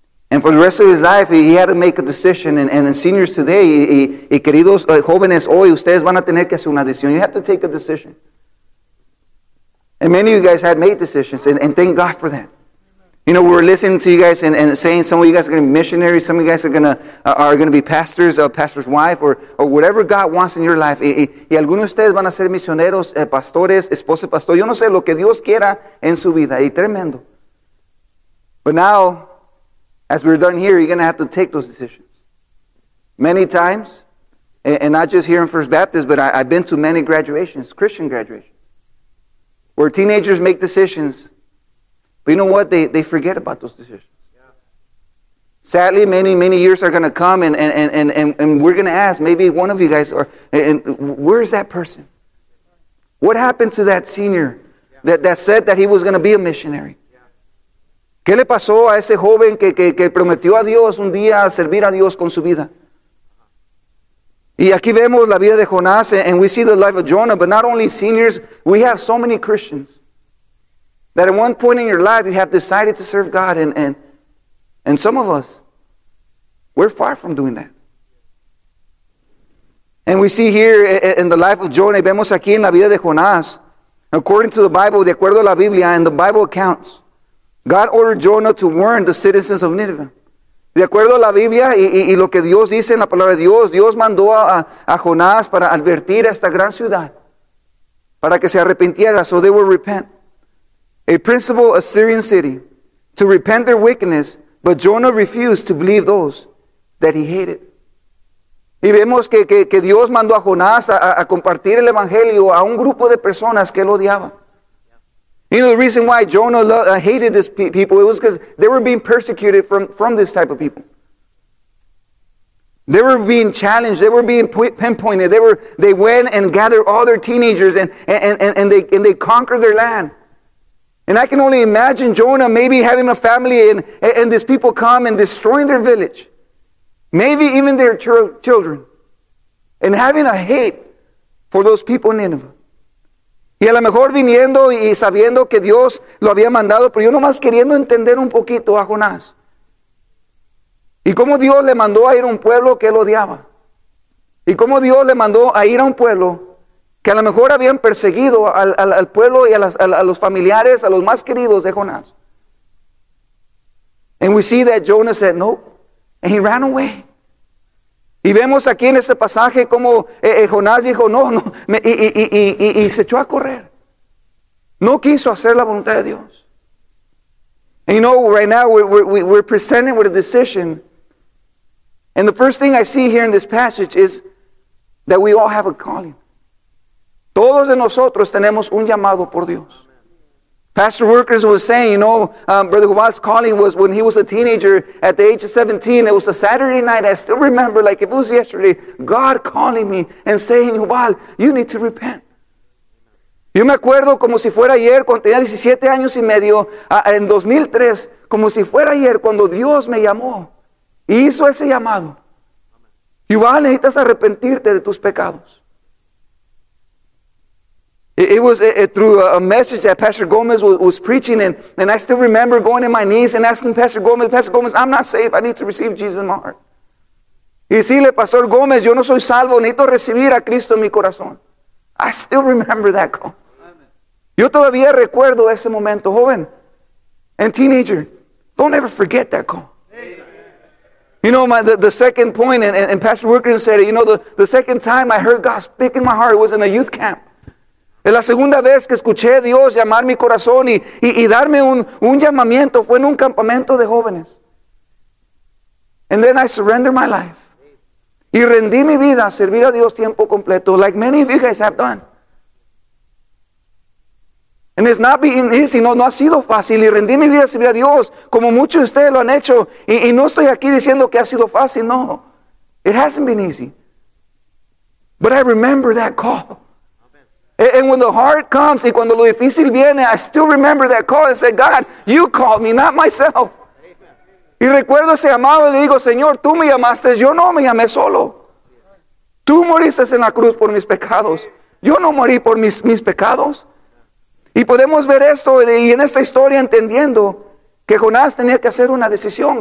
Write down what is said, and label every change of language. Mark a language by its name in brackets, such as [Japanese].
[English] And for the rest of his life, he had to make a decision. And in seniors today, [Spanish] y queridos jóvenes hoy, ustedes van a tener que hacer una decisión. [English] You have to take a decision. And many of you guys had made decisions, and thank God for that. You know, we're listening to you guys and saying some of you guys are going to be missionaries, some of you guys are going to be pastors, pastor's wife, or whatever God wants in your life. [Spanish] Y algunos de ustedes van a ser misioneros, pastores, esposa, pastor. Yo no sé lo que Dios quiera en su vida. Y tremendo. [English] But now, as we're done here, you're going to have to take those decisions. Many times, and not just here in First Baptist, but I've been to many graduations, Christian graduations, where teenagers make decisions. But you know what? They forget about those decisions. Sadly, many, many years are going to come and we're going to ask, maybe one of you guys, and where is that person? What happened to that senior that said that he was going to be a missionary? [Spanish] ¿Qué le pasó a ese joven que prometió a Dios un día servir a Dios con su vida? Y aquí vemos la vida de Jonás, [English] and we see the life of Jonah, but not only seniors, we have so many Christians that at one point in your life you have decided to serve God, and some of us, we're far from doing that. And we see here in the life of Jonah, [Spanish] vemos aquí en la vida de Jonás, [English] according to the Bible, [Spanish] de acuerdo a la Biblia, [English] and the Bible accounts, God ordered Jonah to warn the citizens of Nineveh. [Spanish] De acuerdo a la Biblia y lo que Dios dice en la palabra de Dios, Dios mandó a Jonás para advertir a esta gran ciudad, para que se arrepintiera, [English] so they will repent. A principal Assyrian city, to repent their wickedness, but Jonah refused to believe those that he hated. [Spanish] Y vemos que Dios mandó a Jonás a compartir el Evangelio a un grupo de personas que él odiaba. [English] You know, the reason why Jonah hated these people, it was because they were being persecuted from this type of people. They were being challenged. They were being pinpointed. They went and gathered all their teenagers and they conquered their land. And I can only imagine Jonah maybe having a family and these people come and destroying their village. Maybe even their children. And having a hate for those people in Nineveh. [Spanish] Y a lo mejor viniendo y sabiendo que Dios lo había mandado, pero yo nomás queriendo entender un poquito a Jonás. Y cómo Dios le mandó a ir a un pueblo que él odiaba. Y cómo Dios le mandó a ir a un pueblo que a lo mejor habían perseguido al pueblo y a los familiares, a los más queridos de Jonás. [English] And we see that Jonah said no, and he ran away. [Spanish] Y vemos aquí en este pasaje como Jonás dijo, no, y se echó a correr. No quiso hacer la voluntad de Dios. [English] And you know, right now we're presented with a decision. And the first thing I see here in this passage is that we all have a calling. [Spanish] Todos de nosotros tenemos un llamado por Dios. [English] Pastor Workers was saying, you know, Brother Jubal's calling was when he was a teenager at the age of 17. It was a Saturday night. I still remember, like if it was yesterday, God calling me and saying, Jubal, you need to repent. [Spanish] Yo me acuerdo como si fuera ayer, cuando tenía 17 años y medio, en 2003, como si fuera ayer, cuando Dios me llamó y hizo ese llamado. Jubal, necesitas arrepentirte de tus pecados. [English] It was through a message that Pastor Gomez was preaching, and I still remember going to my knees and asking Pastor Gomez, I'm not saved. I need to receive Jesus in my heart. [Spanish] Y decirle, Pastor Gomez, yo no soy salvo. Necesito recibir a Cristo en mi corazón. [English] I still remember that call. [Spanish] Yo todavía recuerdo ese momento, joven [English] and teenager. Don't ever forget that call. You know, the second point, and Pastor Wilkerson said it, you know, the second time I heard God speak in my heart was in a youth camp. [Spanish] Es la segunda vez que escuché a Dios llamar mi corazón y darme un llamamiento fue en un campamento de jóvenes. [English] And then I surrendered my life. [Spanish] Y rendí mi vida a servir a Dios tiempo completo, [English] like many of you guys have done. And it's not being easy. [Spanish] No, no ha sido fácil. Y rendí mi vida a Dios, como muchos de ustedes lo han hecho. Y no estoy aquí diciendo que ha sido fácil. [English] No. It hasn't been easy. But I remember that call. And when the hard comes, [Spanish] y cuando lo difícil viene, [English] I still remember that call and say, God, you called me, not myself. [Spanish] Y recuerdo ese llamado y le digo, Señor, tú me llamaste, yo no me llamé solo. Tú moriste en la cruz por mis pecados. Yo no morí por mis pecados. Y podemos ver esto y en esta historia entendiendo que Jonás tenía que hacer una decisión.